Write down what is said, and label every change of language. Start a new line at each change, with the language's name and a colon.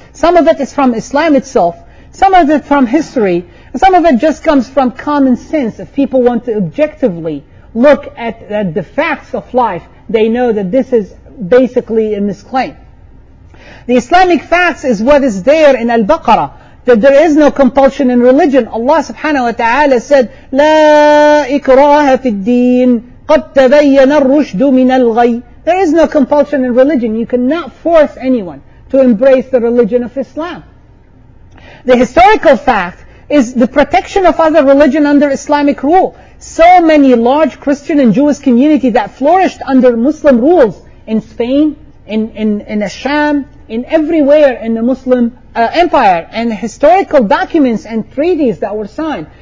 English: Some of it is from Islam itself, some of it from history, and some of it just comes from common sense. If people want to objectively look at the facts of life, they know that this is basically a misclaim. The Islamic facts is what is there in Al-Baqarah, that there is no compulsion in religion. Allah subhanahu wa ta'ala said,
Arabic: لَا إِكْرَاهَ فِي الدِّينِ قَدْ تَبَيَّنَ الرُّشْدُ مِنَ الْغَيِّ.
English: There is no compulsion in religion. You cannot force anyone to embrace the religion of Islam. The historical fact is the protection of other religion under Islamic rule. So many large Christian and Jewish community that flourished under Muslim rules in Spain, in Asham, in everywhere in the Muslim empire, and historical documents and treaties that were signed.